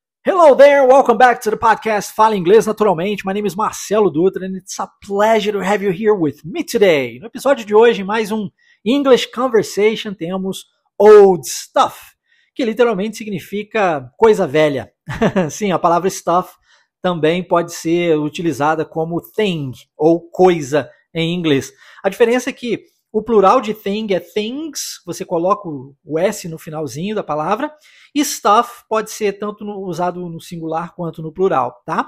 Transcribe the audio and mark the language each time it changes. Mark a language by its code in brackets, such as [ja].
[en] Hello there, welcome back to the podcast Fala Inglês Naturalmente. My name is Marcelo Dutra and it's a pleasure to have you here with me today. [pt] No episódio de hoje, mais um English Conversation, temos Old Stuff, que literalmente significa coisa velha. Sim, a palavra stuff também pode ser utilizada como thing ou coisa em inglês. A diferença é que o plural de thing é things, você coloca o S no finalzinho da palavra, e stuff pode ser tanto usado no singular quanto no plural, tá?